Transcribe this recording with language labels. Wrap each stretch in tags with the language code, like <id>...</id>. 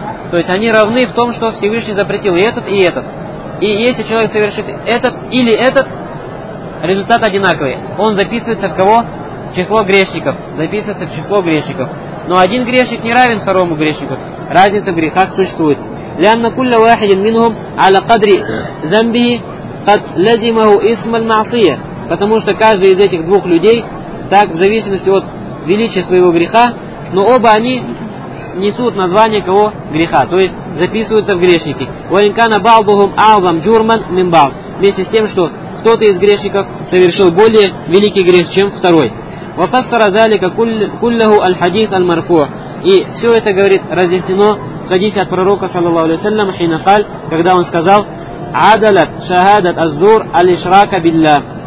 <ru>То есть, они равны в том, что Всевышний запретил и этот, и этот. И если человек совершит этот или этот, результат одинаковый. Он записывается в кого? Число грешников. Записывается в число грешников. Но один грешник не равен второму грешнику. Разница в грехах существует.</ru> <ar>لأن كل واحد منهم على قدر ذنبه قد لزمه اسم المعصية.</ar> <ru>Потому что каждый из этих двух людей, так в зависимости от величия своего греха, но оба они несут название кого? Греха. То есть записываются в грешники.</ru> <ar>وإن كان بعضهم أعظم جرما من بعض.</ar> <ru>Вместе с тем, что кто-то из грешников совершил более великий грех, чем второй.</ru> <ar>وَفَسَّرَ ذَلِكَ كُلَّهُ الْحَدِيثَ الْمَرْفُوعَ.</ar> <ru>И все это, говорит, разъяснено в хадисе от пророка, саллаллаху алейхи ва саллям,</ru> <ar>хина кал,</ar> <ru>когда он сказал,</ru> <ar>«Адалат шахадат аззур алишрака билля».</ar>